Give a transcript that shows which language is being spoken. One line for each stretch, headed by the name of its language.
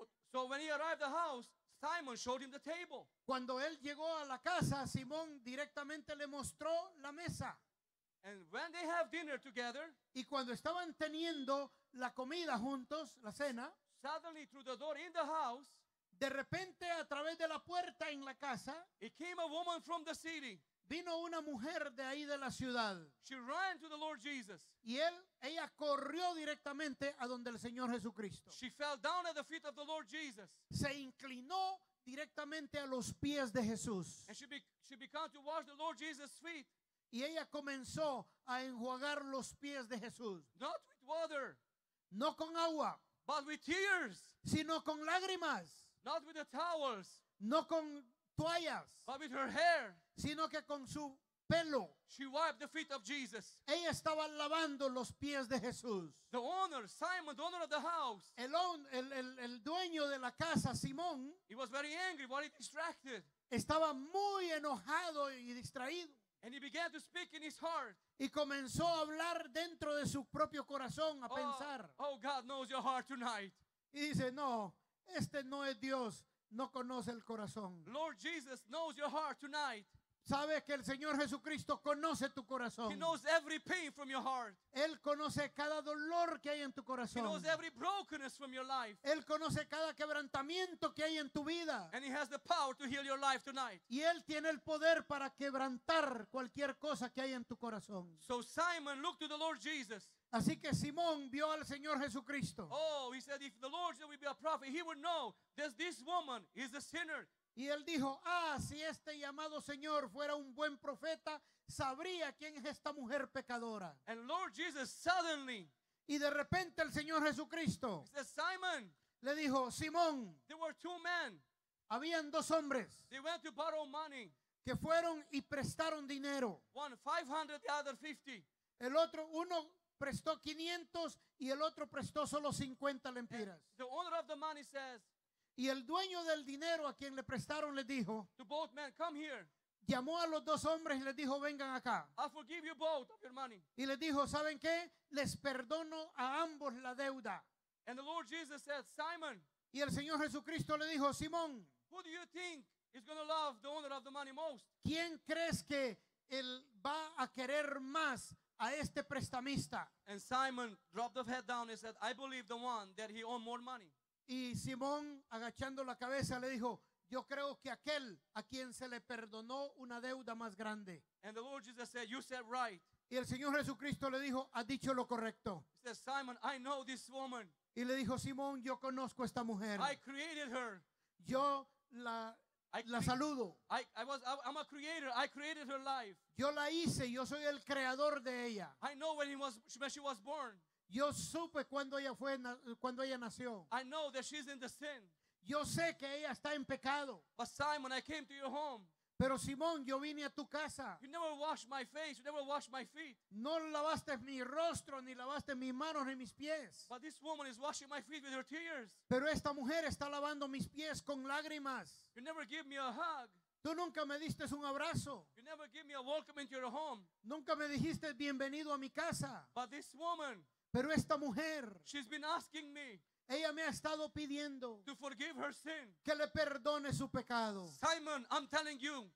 English: So when he arrived at the house, Simon showed him the table.
Spanish: Cuando él llegó a la casa, Simón directamente le mostró la mesa.
English: And when they have dinner together,
Spanish: y cuando estaban teniendo la comida juntos, la cena,
English: suddenly through the door in the house,
Spanish: de repente a través de la puerta en la casa,
English: it came a woman from the city.
Spanish: Vino una mujer de ahí de la ciudad.
English: She ran to the Lord Jesus.
Spanish: Y ella corrió directamente a donde el Señor Jesucristo.
English: She fell down at the feet of the Lord Jesus.
Spanish: Se inclinó directamente a los pies de Jesús.
English: And she began to wash the Lord Jesus' feet.
Spanish: Y ella comenzó a enjuagar los pies de Jesús.
English: Not with water.
Spanish: No con agua.
English: But with tears.
Spanish: Sino con lágrimas.
English: Not with the towels.
Spanish: No con toallas.
English: But with her hair.
Spanish: Sino que con su pelo.
English: She wiped the feet of Jesus.
Spanish: Ella estaba lavando los pies de Jesús.
English: The owner, Simon, the owner of the house.
Spanish: El dueño de la casa, Simón.
English: He was very angry, very distracted.
Spanish: Estaba muy enojado y distraído.
English: And he began to speak in his heart.
Spanish: Y comenzó a hablar dentro de su propio corazón, a pensar.
English: Oh, God knows your heart tonight.
Spanish: Y dice, no, este no es Dios. No conoce el corazón.
English: Lord Jesus knows your heart tonight.
Spanish: Sabe que el Señor Jesucristo conoce tu corazón.
English: He knows every pain from your heart.
Spanish: Él conoce cada dolor que hay en tu corazón.
English: He knows every brokenness from your life.
Spanish: Él conoce cada quebrantamiento que hay en tu vida.
English: And he has the power to heal your life tonight.
Spanish: Y él tiene el poder para quebrantar cualquier cosa que hay en tu corazón.
English: So Simon looked to the Lord Jesus.
Spanish: Así que Simón vio al Señor Jesucristo.
English: Oh, he said, if the Lord said we'd be a prophet, he would know that this woman is a sinner.
Spanish: Y él dijo, ah, si este llamado Señor fuera un buen profeta, sabría quién es esta mujer pecadora.
English: And Lord Jesus suddenly.
Spanish: Y de repente el Señor Jesucristo.
English: He said, Simon.
Spanish: Le dijo, Simón.
English: There were two men.
Spanish: Habían dos hombres.
English: They went to borrow money.
Spanish: Que fueron y prestaron dinero.
English: One 500, the other 50.
Spanish: El otro, uno prestó 500 y el otro prestó solo 50 lempiras.
English: The owner of the money says,
Spanish: y el dueño del dinero a quien le prestaron le dijo,
English: to both men, come here.
Spanish: Llamó a los dos hombres y les dijo, vengan acá.
English: I forgive you both of your money.
Spanish: Y les dijo, ¿saben qué? Les perdono a ambos la deuda.
English: And the Lord Jesus said, Simon,
Spanish: y el Señor Jesucristo le dijo, Simón,
English: who do you think is going to love the owner of the money most?
Spanish: ¿Quién crees que él va a querer más a este prestamista.
English: And Simon dropped his head down and said, I believe the one that he owed more money.
Spanish: Y Simón, agachando la cabeza, le dijo, yo creo que aquel a quien se le perdonó una deuda más grande.
English: And the Lord Jesus said, you said right.
Spanish: Y el Señor Jesucristo le dijo, ha dicho lo correcto.
English: He said, Simon, I know this woman.
Spanish: Y le dijo, Simón, yo conozco esta mujer.
English: I created her.
Spanish: Yo la saludo.
English: I'm a creator. I created her life.
Spanish: Yo la hice. Yo soy el creador de ella.
English: I know when she was born.
Spanish: Yo supe cuando ella nació.
English: I know that she's in the sin.
Spanish: Yo sé que ella está en pecado.
English: But Simon, I came to your home.
Spanish: Pero Simón, yo vine a tu casa.
English: You never washed my face. You never washed my feet.
Spanish: No lavaste mi rostro, ni lavaste mis manos ni mis pies.
English: But this woman is washing my feet with her tears.
Spanish: Pero esta mujer está lavando mis pies con lágrimas.
English: You never give me a hug.
Spanish: Tú nunca me diste un abrazo.
English: You never give me a welcome into your home.
Spanish: Nunca me dijiste bienvenido a mi casa.
English: But this woman.
Spanish: Pero esta mujer.
English: She's been asking me.
Spanish: Ella me ha estado pidiendo
English: to forgive her sin.
Spanish: Que le perdone su pecado.
English: Simon, I'm telling you.